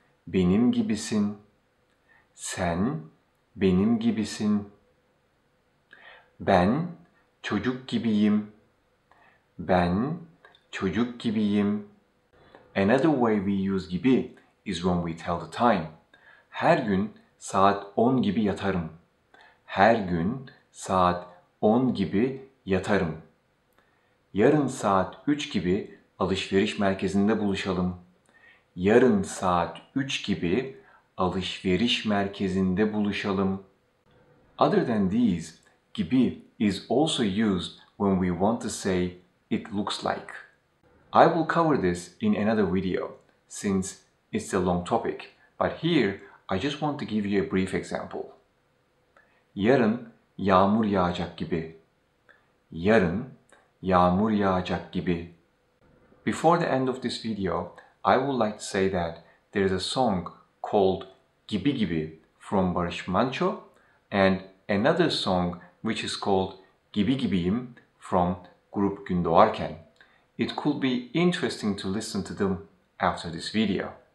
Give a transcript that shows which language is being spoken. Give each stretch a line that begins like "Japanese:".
Turkish: benim gibisin. Sen benim gibisin. Ben çocuk gibiyim. Ben çocuk gibiyim.
English: Another way we use gibi is when we tell the time.
Turkish: Her gün saat 10 gibi yatarım. Her gün saat 10 gibi yatarım. Yarın saat 3 gibi alışveriş merkezinde buluşalım. Yarın saat 3 gibi alışveriş merkezinde buluşalım.
English: Other than these, gibi is also used when we want to say it looks like. I will cover this in another video since it's a long topic, but here I just want to give you a brief example.
Turkish: Yarın yağmur yağacak gibi. Yarın yağmur yağacak gibi.
English: Before the end of this video, I would like to say that there is a song called Gibi Gibi from Barış Manço and another song which is called Gibi Gibiyim from Grup Gündoğarken. It could be interesting to listen to them after this video.